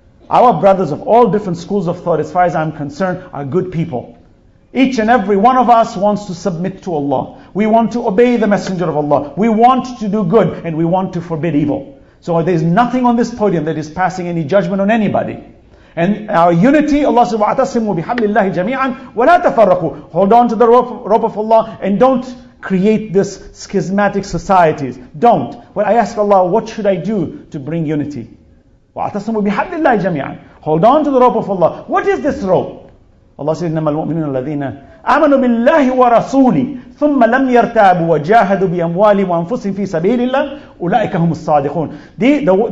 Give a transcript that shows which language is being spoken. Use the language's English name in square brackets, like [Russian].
[English] Our brothers of all different schools of thought, as far as I'm concerned, are good people. Each and every one of us wants to submit to Allah. We want to obey the Messenger of Allah. We want to do good and we want to forbid evil. So there's nothing on this podium that is passing any judgment on anybody. And our unity, Allah says, [Arabic] وَعْتَصِمُوا بِحَبْلِ اللَّهِ جَمِيعًا وَلَا تَفَرَّقُوا. [English] Hold on to the rope of Allah and don't create this schismatic societies. Don't. But I ask Allah, what should I do to bring unity? [Arabic] وَعْتَصِمُوا بِحَبْلِ اللَّهِ جَمِيعًا. [English] Hold on to the rope of Allah. What is this rope? Allah says, [Arabic] إِنَّمَا الْمُؤْمِنُونَ الَّذِينَ آمَنُوا بِاللَّهِ وَرَسُولِهِ ثُمَّ لَمْ يَرْتَابُوا وَجَاهَدُوا بِأَمْوَالِهِمْ وَأَنفُسِهِمْ فِي سَبِيلِ اللَّهِ أُولَٰئِكَ هُمُ الصَّادِقُونَ.